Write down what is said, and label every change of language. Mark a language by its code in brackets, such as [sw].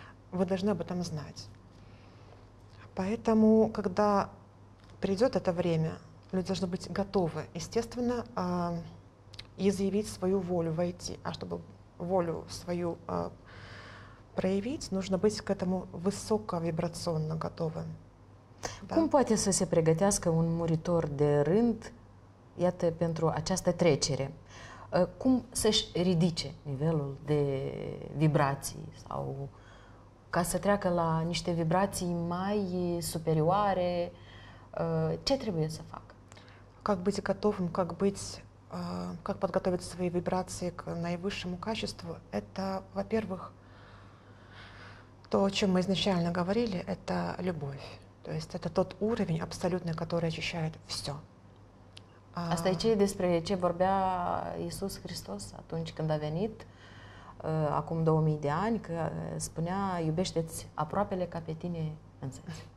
[ru] Вы должны об этом знать. Поэтому, когда придет это время, люди должны быть готовы, естественно, и заявить свою волю, войти. А чтобы волю свою проявить, нужно быть к этому высоковибрационно готовым. [ro] Da. Cum poate să se pregătească un muritor de rând, iată, pentru această trecere? Cum să-și ridice nivelul de vibrații sau ca să treacă la niște vibrații mai superioare? Ce trebuie să facă? [ru] Как быть готовым, как быть, как подготовить свои вибрации к наивысшему качеству? Это, во-первых, то, о чем мы изначально говорили, это любовь. То есть это тот уровень абсолютный, который очищает все. [ro] Asta e ce despre ce vorbea Iisus Hristos atunci când a venit, acum 2000 de ani, că spunea, iubește-ți aproapele ca pe tine înțeles.